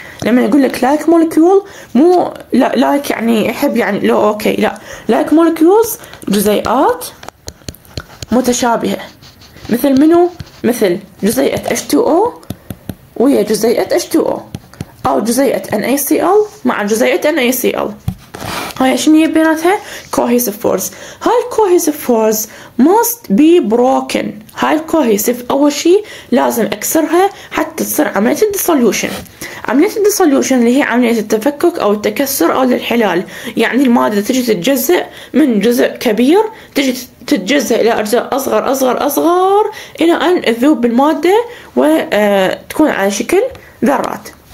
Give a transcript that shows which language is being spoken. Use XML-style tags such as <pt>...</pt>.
<ar>لما أقول لك like molecule مو لا like يعني يحب يعني لو أوكي، لا، like molecules جزيئات متشابهة. مثل منو؟ مثل جزيئة H2O ويا جزيئة H2O، أو جزيئة NaCl مع جزيئة NaCl. هاي شنو هي بيناتها؟ cohesive force.</ar> <en>هاي cohesive force must be broken.</en> <ar>هاي cohesive أول شيء لازم أكسرها حتى تصير عملية dissolution. عملية dissolution اللي هي عملية التفكك أو التكسر أو الانحلال، يعني المادة تجي تتجزأ من جزء كبير، تجي تتجزأ إلى أجزاء أصغر أصغر أصغر إلى أن تذوب بالمادة وتكون على شكل ذرات.</ar>